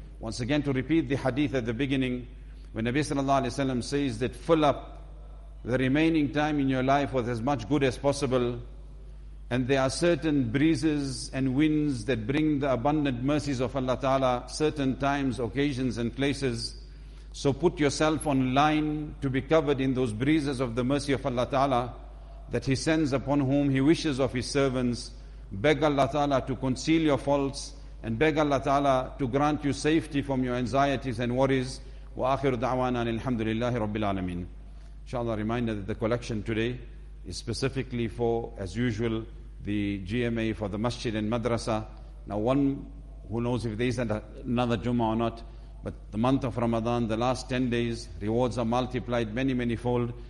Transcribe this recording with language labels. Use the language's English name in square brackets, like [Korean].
[English] Once again, to repeat the hadith at the beginning, when Nabi sallallahu alayhi wa sallam says that fill up the remaining time in your life with as much good as possible, and there are certain breezes and winds that bring the abundant mercies of Allah Ta'ala, certain times, occasions and places. So put yourself on line to be covered in those breezes of the mercy of Allah Ta'ala that He sends upon whom He wishes of His servants. Beg Allah Ta'ala to conceal your faults and beg Allah Ta'ala to grant you safety from your anxieties and worries. [Arabic] وآخر دعوانا الحمد لله رب العالمين. [English] Inshallah, reminder that the collection today is specifically for, as usual, the GMA for the Masjid and Madrasa. Now, one who knows if there is another Jummah or not, but the month of Ramadan, the last 10 days, rewards are multiplied many, many fold.